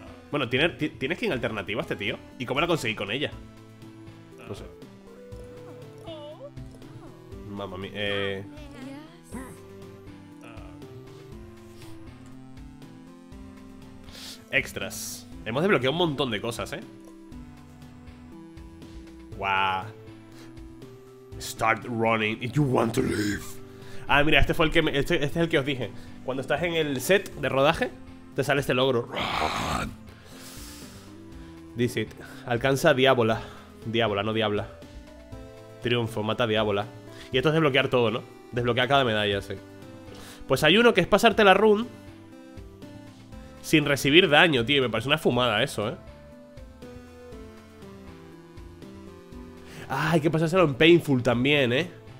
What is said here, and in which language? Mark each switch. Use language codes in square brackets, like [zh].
[es] Bueno, ¿tiene skin alternativa este tío? ¿Y cómo la conseguí con ella? No sé. Mamma mía, Extras. Hemos desbloqueado un montón de cosas, ¿eh? Guau. [en] Start running if you want to leave. [es] Ah, mira, este fue el que me, este es el que os dije. Cuando estás en el set de rodaje, te sale este logro. [en] Run. This it. [es] Alcanza a Diabola. Diabola, no Diabla. Triunfo, mata a Diabola. Y esto es desbloquear todo, ¿no? Desbloquea cada medalla, sí. Pues hay uno que es pasarte la run sin recibir daño, tío. Me parece una fumada eso, ¿eh? Ah, hay que pasárselo en painful también, ¿eh?